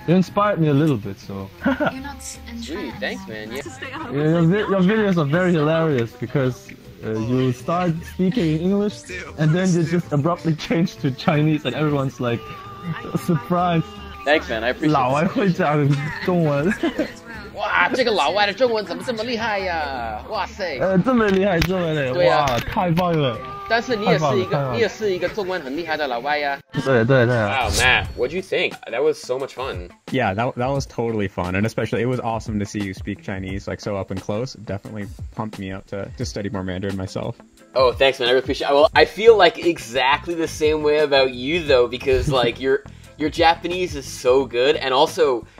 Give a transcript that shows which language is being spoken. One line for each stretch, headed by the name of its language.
English: It inspired me a little bit, so. Sweet, thanks, man. Yeah. Your videos are very hilarious because you start speaking in English and then you just abruptly change to Chinese and everyone's like surprised. Thanks, man. I appreciate it.
Chinese: 老外会讲中文。哇，这个老外的中文怎么这么厉害呀？哇塞！这么厉害，这么厉害，对啊、哇，太棒了！但是你也是一个中文很厉害的老外呀。对对对。
English: Wow, Matt, what'd you think? That was so much fun. Yeah, that was totally fun, and especially it was awesome to see you speak Chinese like so up and close. It definitely pumped me up to study more Mandarin myself. Oh, thanks, man. I really appreciate. Well, I feel like exactly the same way about you though, because like your Japanese is so good, and also.